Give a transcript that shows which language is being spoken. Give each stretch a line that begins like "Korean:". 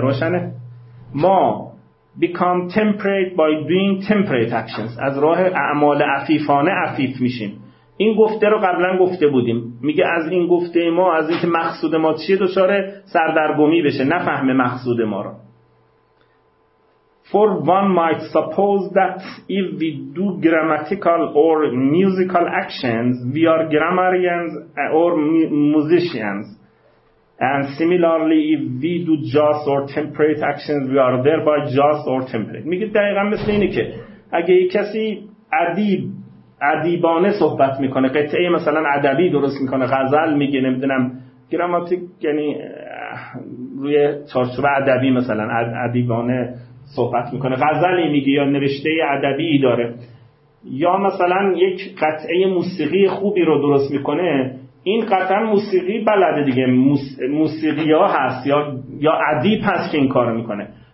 Persian: روشنه؟ ما
English: become temperate by doing temperate actions،
Persian: از راه اعمال عفیفانه عفیف میشیم. این گفته رو قبلا گفته بودیم، میگه از این گفته ما، از این که مقصود ما چیه دچار سردرگمی بشه، نفهمه مقصود ما رو.
English: For one might suppose that if we do grammatical or musical actions we are grammarians or musicians، and similarly if we do just or temperate actions we are thereby just or temperate.
Persian: میگه دقیقا مثل اینه که اگه یک کسی ادیبانه صحبت میکنه، قطعه مثلا ادبی درست میکنه، غزل میگه، نمیدونم گراماتیک، یعنی روی چارچوب ادبی مثلا ادیبانه صحبت میکنه، غزلی میگه یا نوشته ادبی داره، یا مثلا یک قطعه موسیقی خوبی رو درست میکنه، این قطعا موسیقی بلده دیگه، موسیقی ها هست یا ادیب هست که این کار میکنه.